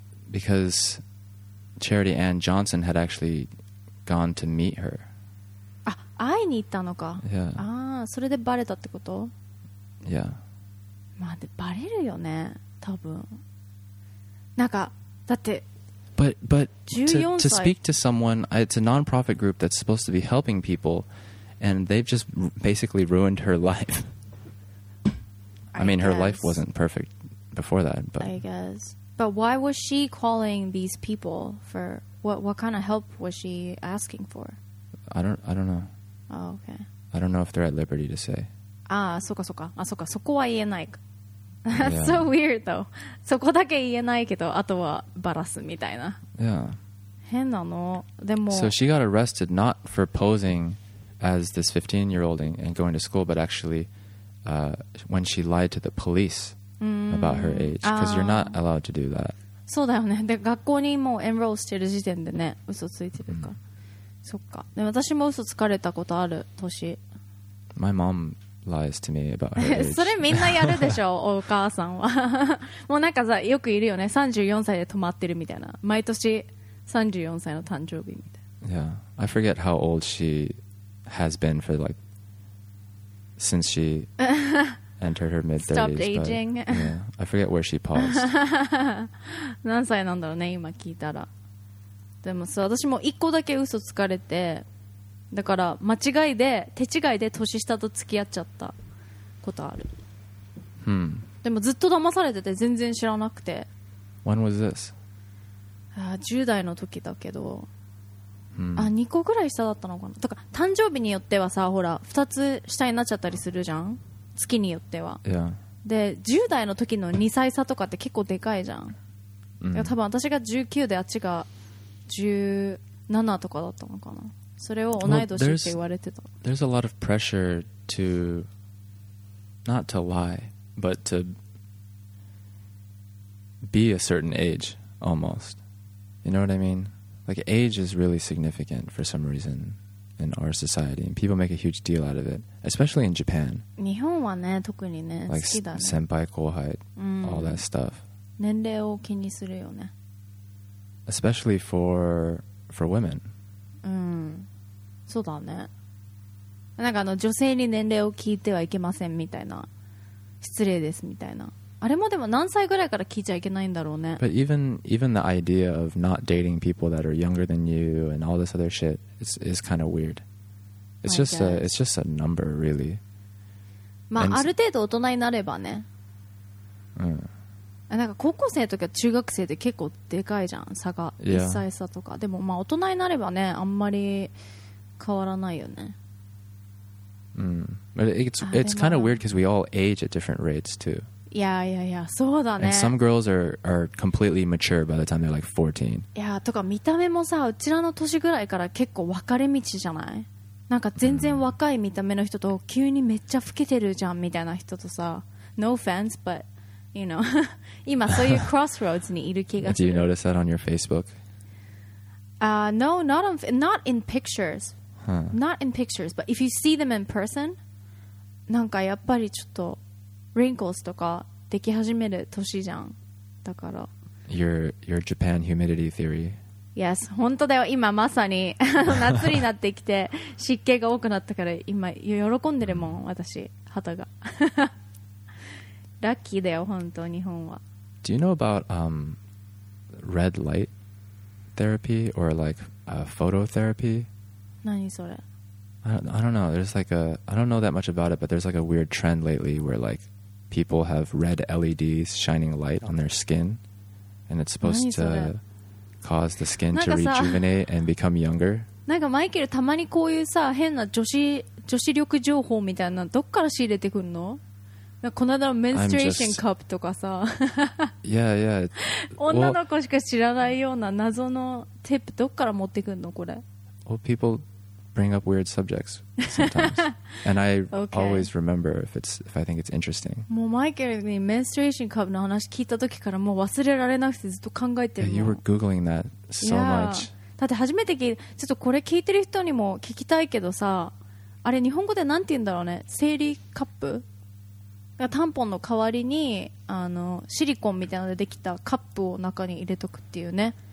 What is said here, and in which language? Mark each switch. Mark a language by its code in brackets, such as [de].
[en] Because Charity Ann Johnson had actually gone to meet her. [ja] あ、会いに行ったのか。 [en] Yeah. [ja] あ、それでバレたってこと？ [en] Yeah. [ja] まあでバレるよね、多分。なんかだって。 [en] But to speak to someone, it's a non-profit group that's supposed to be helping people. And they've just basically ruined her life. I mean, her life wasn't perfect before that. But I guess. But why was she calling these people for what kind of help was she asking for? I don't know. Oh, okay. I don't know if they're at liberty to say. [ja] Ah, そかそか。あ、そか。そこは言えない。 [en] That's so weird, though. [ja] そこだけ言えないけど、あとはバラすみたいな。 [en] Yeah. [ja] 変なの。でも。 [en] So she got arrested not for posing. As this 15-year-old and going to school, but actually, when she lied to the police about her age, because you're not allowed to do that. [ja] そうだよね。で、学校にもう enroll してる時点でね、嘘ついてるか。そっか。で、私も嘘つかれたことある年。 [en] My mom lies to me about her age. [ja] それみんなやるでしょ、お母さんは。もうなんかさ、よくいるよね。 34歳で止まってるみたいな。毎年34歳の誕生日みたいな。 [en] Yeah. I forget how old she... has been for like since she entered her mid 30s. Stopped aging. But, yeah, I forget where she paused. [ja] 何歳なんだろうね今聞いたら。でもさ私も一個だけ嘘つかれて、だから間違いで手違いで年下と付き合っちゃったことある。 Hmm. でもずっと騙されてて全然知らなくて。 [en] When was this? [ja] 10代の時だけど。うん、あ2個ぐらい下だったのかな、とか誕生日によってはさほら2つ下になっちゃったりするじゃん、月によっては、 [en] yeah. [ja] で10代の時の2歳差とかって結構でかいじゃん、うん、多分私が19であっちが17とかだったのかな、それを同い年って言われてた。 [en] There's a lot of pressure to not to lie but to be a certain age almost, you know what I mean? Like, age is really significant for some reason in our society. And people make a huge deal out of it, especially in Japan. [ja] 日本はね、特にね、 [en] like、 [ja] 好きだね。 [en] 先輩後輩、all that stuff. [ja] 年齢を気にするよね。 [en] Especially for women. [ja] うん、そうだね。なんかあの女性に年齢を聞いてはいけませんみたいな。失礼ですみたいな。あれもでも何歳ぐらいから聞いちゃいけないんだろうね。 [en] But even the idea of not dating people that are younger than you and all this other shit is kind of weird. It's just a number, really. [ja] まあ、ある程度大人になればね。うん。なんか高校生の時は中学生で結構でかいじゃん差が、 [en] yeah. [ja] 1歳差とかでもまあ大人になればねあんまり変わらないよね、 mm. [en] It's kind of weird because we all age at different rates too. Yeah, yeah, yeah. [ja] そうだね。 [en] And some girls are completely mature by the time they're like 14. Yeah, [ja] とか見た目もさうちらの年ぐらいから結構分かれ道じゃない？なんか全然若い見た目の人と急にめっちゃ老けてるじゃんみたいな人とさ [en] No offense, but you know [ja] 今そういうクロスロードにいる気がする。 [en] Do you notice that on your Facebook? No, not in pictures、 huh. Not in pictures, but if you see them in person [ja] なんかやっぱりちょっと wrinkles とかでき始める年じゃんだから [en] Your Japan humidity theory。 Yes, [ja] 本当だよ今まさに夏になってきて湿気が多くなったから今喜んでるもん私肌がラッキーだよ本当日本は [en] Do you know about red light therapy or like phototherapy? [ja] 何それ [en] I don't know there's like a I don't know that much about it but there's like a weird trend lately where like people have red LEDs shining light on their skin and it's supposed to cause the skin to rejuvenate and become younger. [ja] なんかマイケルたまにこういうさ変な女子力情報みたいなどっから仕入れてくるの？なんかこの間のメンストレーションカップとかさ。 [en] Yeah, yeah. Well, [ja] 女の子しか知らないような謎のテープどっから持ってくるのこれ [en] ？Well, people bring up weird subjects sometimes, and I always remember if I think it's interesting. [ja] もうマイケルにメンストレーションカップの話聞いた時からもう忘れられなくてずっと考えてる [en] の。You were googling that so much. [ja] だって初めて聞いちょっとこれ聞いてる人にも聞きたいけどさ、あれ日本語でなんて言うんだろうね、生理カップ？がタンポンの代わりにあのシリコンみたいなのでできたカップを中に入れとくっていうね。